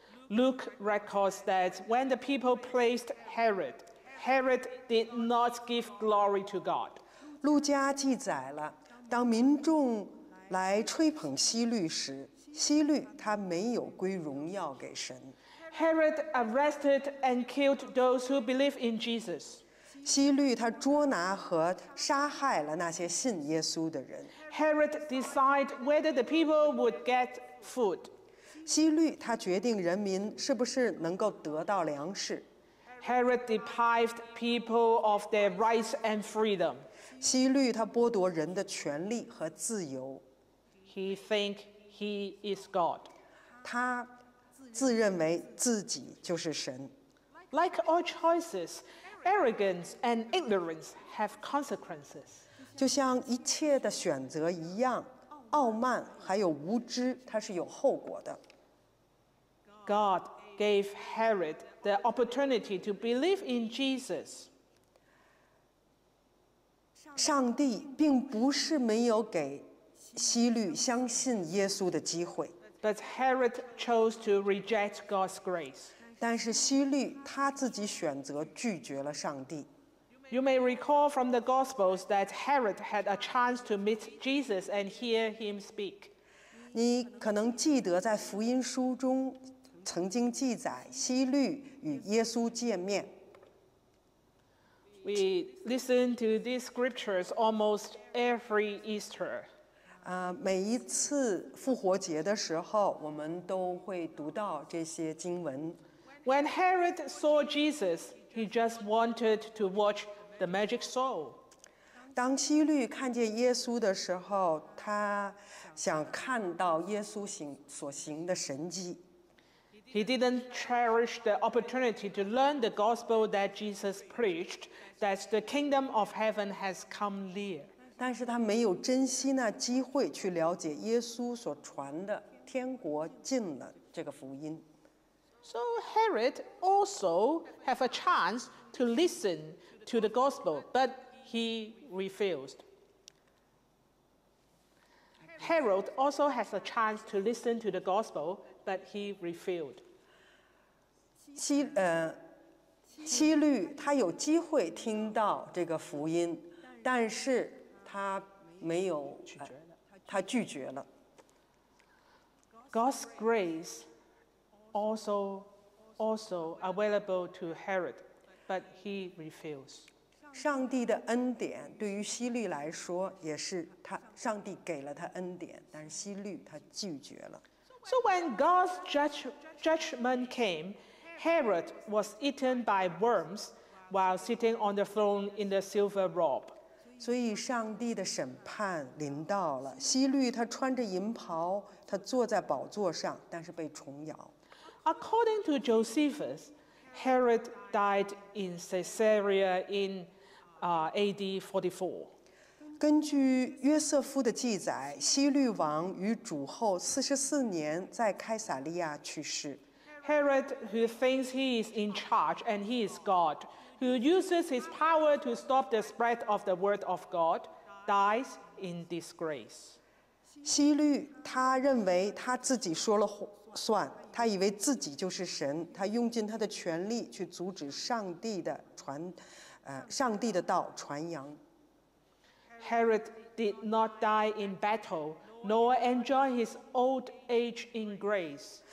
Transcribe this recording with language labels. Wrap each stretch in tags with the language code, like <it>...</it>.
<en>Luke records that when the people praised Herod, Herod did not give glory to God.</en> <zh>路加记载了，当民众来吹捧希律时，希律他没有归荣耀给神。</zh> <en>Herod arrested and killed those who believe in Jesus.</en> <zh>希律他捉拿和杀害了那些信耶稣的人。</zh> <en>Herod decided whether the people would get food.</en> <zh>希律他决定人民是不是能够得到粮食。</zh> <en>Herod deprived people of their rights and freedom.</en> <zh>希律他剥夺人的权利和自由。</zh> <en>He think he is God.</en> <zh>他自认为自己就是神。</zh> <en>Like all choices, arrogance and ignorance have consequences.</en> <zh>就像一切的选择一样，傲慢还有无知，它是有后果的。</zh> <en>God gave Herod the opportunity to believe in Jesus.</en> <zh>上帝并不是没有给希律相信耶稣的机会。</zh> <en>But Herod chose to reject God's grace.</en> <zh>但是希律他自己选择拒绝了上帝。</zh> <en>You may recall from the Gospels that Herod had a chance to meet Jesus and hear him speak.</en> <zh>你可能记得在福音书中曾经记载希律与耶稣见面。</zh> <en>We listen to these scriptures almost every Easter.</en> <zh>每一次复活节的时候，我们都会读到这些经文。</zh> <en>When Herod saw Jesus, he just wanted to watch the magic show.</en> <zh>当希律看见耶稣的时候，他想看到耶稣所行的神迹。</zh> <en>He didn't cherish the opportunity to learn the gospel that Jesus preached, that the kingdom of heaven has come near.</en> <zh>但是他没有珍惜那机会去了解耶稣所传的天国近了这个福音。</zh> <en>So Herod also have a chance to listen to the gospel, but he refused. Herod also has a chance to listen to the gospel. But he refused.</en> <zh>希律他有机会听到这个福音，但是他没有，他拒绝了。</zh> <en>God's grace also available to Herod, but he refused.</en> <zh>上帝的恩典对于希律来说也是他，上帝给了他恩典，但是希律他拒绝了。</zh> <en>So when God's judgment came, Herod was eaten by worms while sitting on the throne in the silver robe.</en> <zh>所以上帝的审判临到了，希律他穿着银袍，他坐在宝座上，但是被虫咬。</zh> <en>According to Josephus, Herod died in Caesarea in AD 44.</en> <zh>根据约瑟夫的记载，希律王于主后44年在凯撒利亚去世。</zh> <en>Herod, who thinks he is in charge and he is God, who uses his power to stop the spread of the word of God, dies in disgrace.</en> <zh>希律他认为他自己说了算，他以为自己就是神，他用尽他的权力去阻止上帝的传，上帝的道传扬。</zh> <en>Herod did not die in battle, nor enjoy his old age in grace.</en>